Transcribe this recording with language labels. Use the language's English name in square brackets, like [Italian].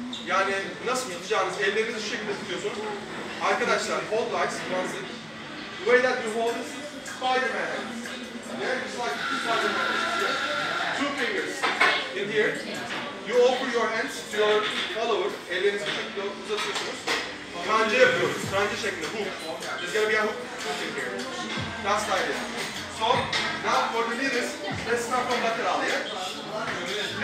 [Turkish] Yani nasıl tutacağınız, ellerinizi şu şekilde tutuyorsunuz. Arkadaşlar, [English] hold wise. The way that you hold is Spider-Man. Yeah, it's like Spider-Man. Yeah. Two fingers in here. You offer your hands to your follower. [Turkish] Ellerinizi şu şekilde uzatıyorsunuz. Kanca yapıyoruz, kanca şeklinde, hook. [English] There's gonna be a hook in here. That's the idea. So, now for the leaders, let's start from lateral, yeah?